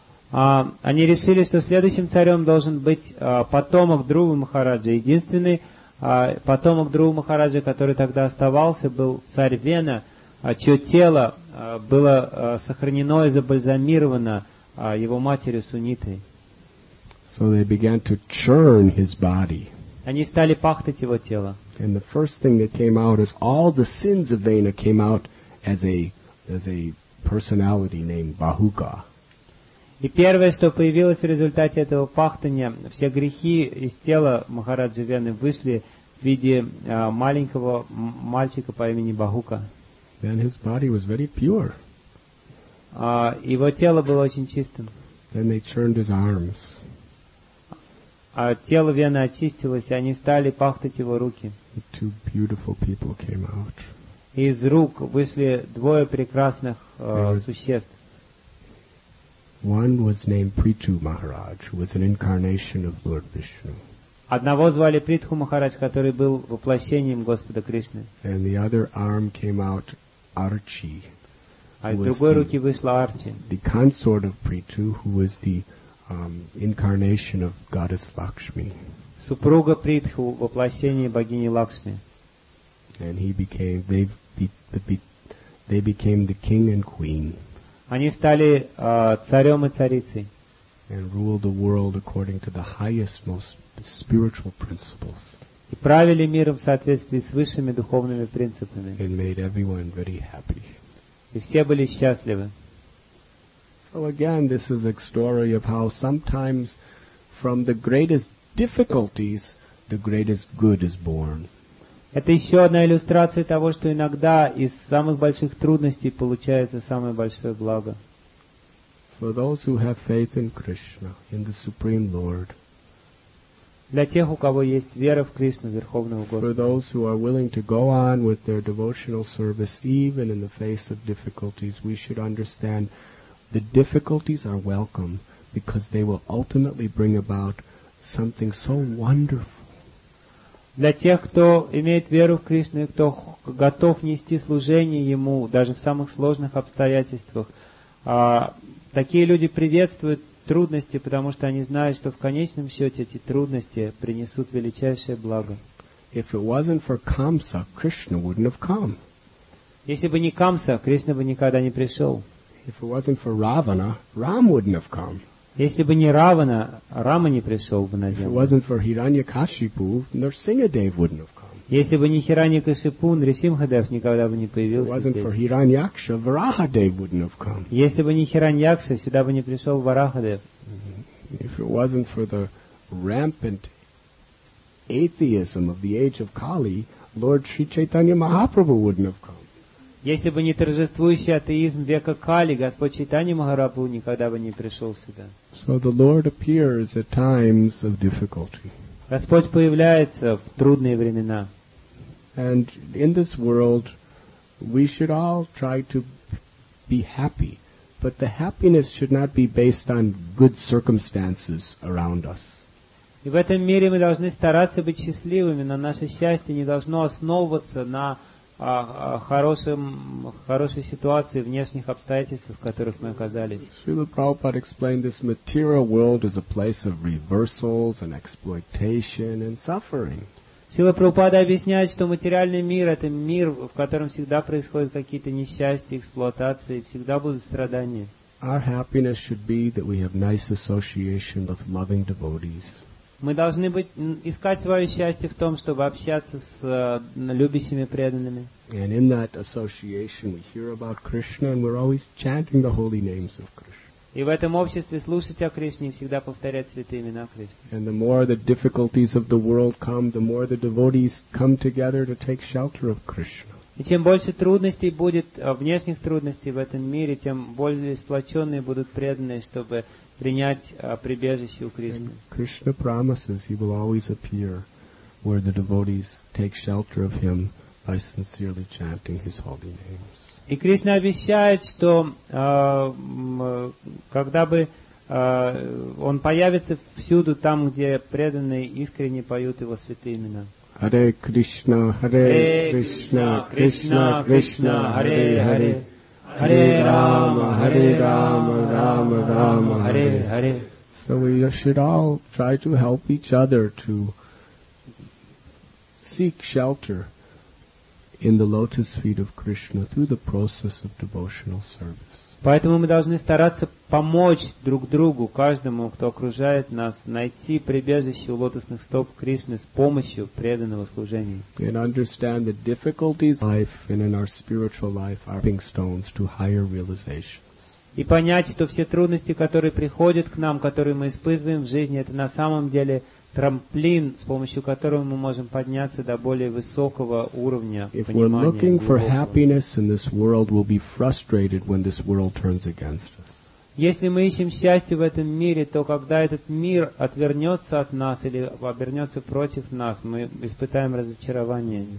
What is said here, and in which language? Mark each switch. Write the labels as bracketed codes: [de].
[ru] Они решили, что следующим царем должен быть потомок Друвы Махараджа. Единственный потомок Друвы Махараджа, который тогда оставался, был царь Вена, чье тело было сохранено и забальзамировано его матерью Сунитой. [en] So they began to churn his body. [ru] Они стали пахтать его тело. [en] And the first thing that came out is all the sins of Vena came out as a personality named Bahuga. [ru] И первое, что появилось в результате этого пахтания, все грехи из тела Махараджи Вены вышли в виде маленького мальчика по имени Бахука. [en] Then his body was very pure. [ru] Его тело было очень чистым. [en] Then they churned his arms. [ru] Тело Вены очистилось, и они стали пахтать его руки. [en] The two beautiful people came out. [ru] Из рук вышли двое прекрасных существ. [en] One was named Prithu Maharaj, who was an incarnation of Lord Vishnu. [ru] Одного звали Притху Махарадж, который был воплощением Господа Кришны. [en] And the other arm came out Archi. [ru] А из другой руки вышла Арчи. [en] The consort of Prithu, who was the incarnation of Goddess Lakshmi. [ru] Супруга Притху, воплощение богини Лакшми. [en] And they became the king and queen. [ru] Они стали царем и царицей. [en] And ruled the world according to the highest, most spiritual principles. [ru] И правили миром в соответствии с высшими духовными принципами. [en] And made everyone very happy. [ru] И все были счастливы. [en] So again, this is a story of how sometimes from the greatest difficulties, the greatest good is born. [ru] Это еще одна иллюстрация того, что иногда из самых больших трудностей получается самое большое благо. [en] For those who have faith in Krishna, in the Supreme Lord. [ru] Для тех, у кого есть вера в Кришну, Верховного Господа. [en] For those who are willing to go on with their devotional service even in the face of difficulties, we should understand the difficulties are welcome because they will ultimately bring about something so wonderful. [ru] Для тех, кто имеет веру в Кришну и кто готов нести служение Ему, даже в самых сложных обстоятельствах, такие люди приветствуют трудности, потому что они знают, что в конечном счете эти трудности принесут величайшее благо. [en] If it wasn't for Kamsa, Krishna wouldn't have come. [ru] Если бы не Камса, Кришна бы никогда не пришел. [en] If it wasn't for Ravana, Ram wouldn't have come. [ru] Если бы не Равана, Рама не пришел бы на землю. [en] If it wasn't for Hiranyakashipu, Narsingadev wouldn't have come. [ru] Если бы не Хираньякашипу, Нарисимхадев никогда бы не появился. [en] If it wasn't for Hiranyaksha, Varahadev wouldn't have come. [ru] Если бы не Хираньякша, сюда бы не пришел Варахадев. [en] If it wasn't for the rampant atheism of the age of Kali, Lord Sri Chaitanya Mahaprabhu wouldn't have come. [ru] Если бы не торжествующий атеизм века Кали, Господь Чайтанья Махапрабху никогда бы не пришел сюда. [en] So the Lord appears at times of difficulty. [ru] Господь появляется в трудные времена. [en] And in this world, we should all try to be happy. But the happiness should not be based on good circumstances around us. [ru] И в этом мире мы должны стараться быть счастливыми, но наше счастье не должно основываться на о хорошей ситуации, внешних обстоятельствах, в которых мы оказались. [en] Srila Prabhupada explained this material world as a place of reversals and exploitation and suffering. [ru] Сила Прабхупада объясняет, что материальный мир — это мир, в котором всегда происходят какие-то несчастья, эксплуатации, всегда будут страдания. [en] Our happiness should be that we have nice association with loving devotees. [ru] Мы должны искать свое счастье в том, чтобы общаться с любящими преданными. [en] And in that association we hear about Krishna and we're always chanting the holy names of Krishna. [ru] И в этом обществе слушать о Кришне и всегда повторять святые имена Кришны. [en] And the more the difficulties of the world come, the more the devotees come together to take shelter of Krishna. [ru] И чем больше трудностей будет, внешних трудностей в этом мире, тем более сплоченные будут преданные, чтобы принять прибежище у Кришны. [en] And Krishna promises he will always appear where the devotees take shelter of him by sincerely chanting his holy names. [ru] И Кришна обещает, что когда бы он появится всюду там, где преданные искренне поют его святые имена. [sa] Hare Krishna, Hare Krishna, Krishna Krishna, Hare Hare. Hare Rama, Hare Rama, Rama Rama, Hare Hare. [en] So we should all try to help each other to seek shelter in the lotus feet of Krishna through the process of devotional service. [ru] Поэтому мы должны стараться помочь друг другу, каждому, кто окружает нас, найти прибежище у лотосных стоп Кришны с помощью преданного служения. [en] And understand the difficulties of life and in our spiritual life are stepping stones to higher realizations. [ru] И понять, что все трудности, которые приходят к нам, которые мы испытываем в жизни, это на самом деле трамплин, с помощью которого мы можем подняться до более высокого уровня понимания. [en] If we're looking for happiness in this world, we'll be frustrated when this world turns against us. [ru] Если мы ищем счастье в этом мире, то когда этот мир отвернется от нас или обернется против нас, мы испытаем разочарование.